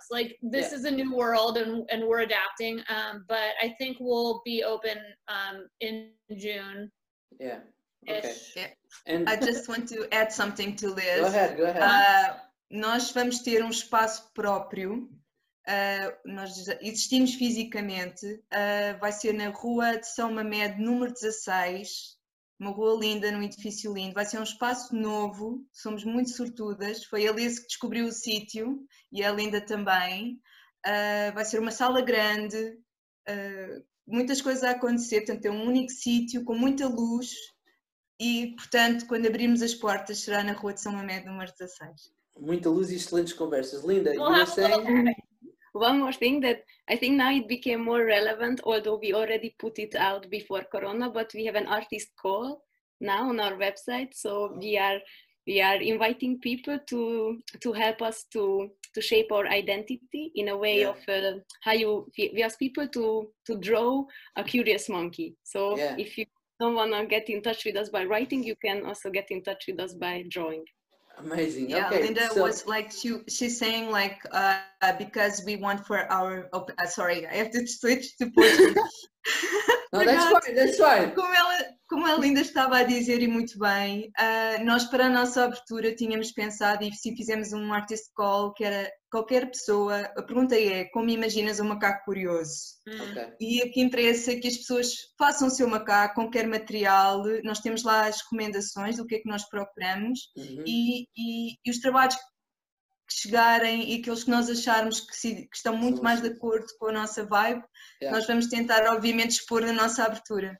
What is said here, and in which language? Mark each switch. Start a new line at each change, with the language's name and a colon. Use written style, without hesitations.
English: Like, this is a new world and we're adapting. But I think we'll be open in June. Okay. And I just want to add something to Liz. Go ahead.
Portuguese: Nós vamos ter um espaço próprio, nós existimos fisicamente, vai ser na rua de São Mamed, número 16, uma rua linda, num edifício lindo, vai ser um espaço novo, somos muito sortudas, foi a Liz que descobriu o sítio, e a Linda também, vai ser uma sala grande, muitas coisas a acontecer, portanto é um único sítio, com muita luz, e portanto, quando abrirmos as portas, será na rua de São Mamed, número 16. Muita luz e excelentes conversas. Linda,
English: you were saying? One more thing that I think now it became more relevant, although we already put it out before Corona, but we have an artist call now on our website. So we are inviting people to help us to shape our identity in a way of how you, we ask people to draw a curious monkey. So if you don't want to get in touch with us by writing, you can also get in touch with us by drawing. Amazing. Linda was like, she's saying like, because we want for our, I have to switch to Portuguese. No, that's fine.
Portuguese: Como a Linda estava a dizer, e muito bem, nós para a nossa abertura tínhamos pensado, e sim, fizemos um artist call, que era qualquer pessoa, a pergunta é, como imaginas um macaco curioso? E o que interessa é que as pessoas façam o seu macaco, com qualquer material, nós temos lá as recomendações do que é que nós procuramos, e os trabalhos que chegarem e aqueles que nós acharmos que estão muito mais de acordo com a nossa vibe, nós vamos tentar, obviamente, expor a nossa abertura.